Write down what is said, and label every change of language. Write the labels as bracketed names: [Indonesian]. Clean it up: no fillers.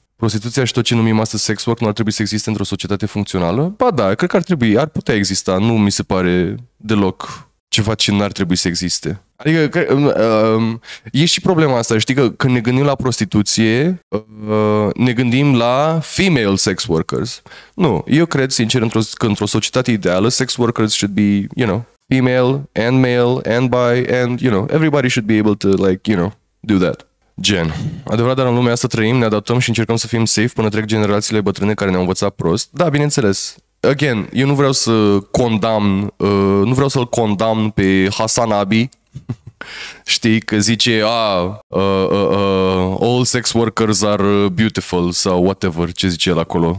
[Romanian] Prostituția și tot ce numim astăzi sex work nu ar trebui să existe într-o societate funcțională? Ba da, cred că ar trebui, ar putea exista, nu mi se pare deloc ceva ce n-ar trebui să existe. Adică e și problema asta, știi că când ne gândim la prostituție, ne gândim la [English] female sex workers. [Romanian] Nu, eu cred sincer că într-o societate ideală [English] sex workers should be, you know, female and male and bi and, you know, everybody should be able to, like, you know, do that. [Romanian] Gen. Adevărat, dar în lumea asta trăim, ne adaptăm și încercăm să fim safe până trec generațiile bătrâne care ne-au învățat prost. Da, bineînțeles. Again, eu nu vreau să condamn, nu vreau să-l condamn pe Hasan Abi, știi, că zice, [English] all sex workers are beautiful [Romanian] sau whatever, ce zice el acolo.